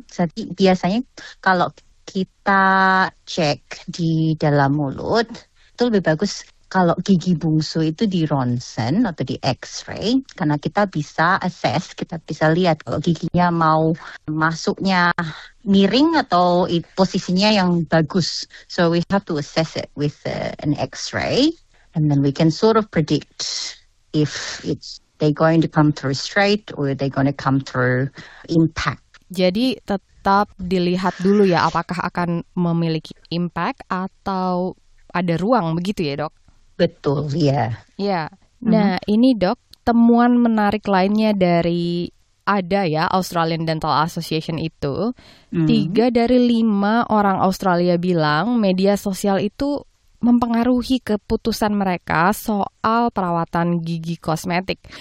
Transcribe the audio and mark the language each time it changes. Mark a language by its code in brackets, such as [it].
[id] Jadi biasanya kalau kita cek di dalam mulut itu lebih bagus kalau gigi bungsu itu di ronsen atau di x-ray, karena kita bisa assess, kita bisa lihat kalau giginya mau masuknya miring atau posisinya yang bagus. [en] So we have to assess it with an x-ray and then we can sort of predict if it's they going to come through straight or they going to come through impact. [id] Jadi tetap dilihat dulu ya apakah akan memiliki impact atau ada ruang begitu ya, Dok. Betul, ya. Yeah. Ya. Nah, ini Dok, temuan menarik lainnya dari ada ya Australian Dental Association itu, 3 dari 5 orang Australia bilang media sosial itu mempengaruhi keputusan mereka soal perawatan gigi kosmetik.